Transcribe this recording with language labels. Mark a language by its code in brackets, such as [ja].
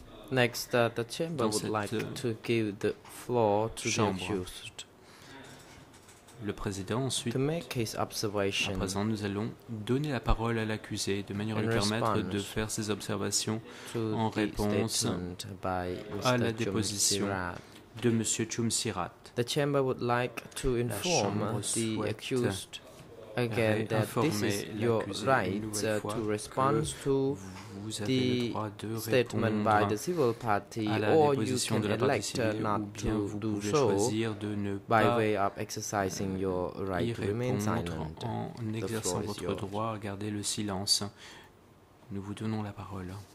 [en] Next, the chamber would like to give the floor to the accused. [fr] Le président ensuite, [en] to make his observation. [fr] À présent, nous allons donner la parole à l'accusé de manière à lui permettre de faire ses observations en réponse à la déposition de M. Chum Sirath. [en] The chamber would like to inform the accused again that this is your right to respond to the statement by the civil party, or you can elect not to do so by way of exercising your right to remain silent. [fr] En exerçant votre droit à garder le silence, nous vous donnons la parole.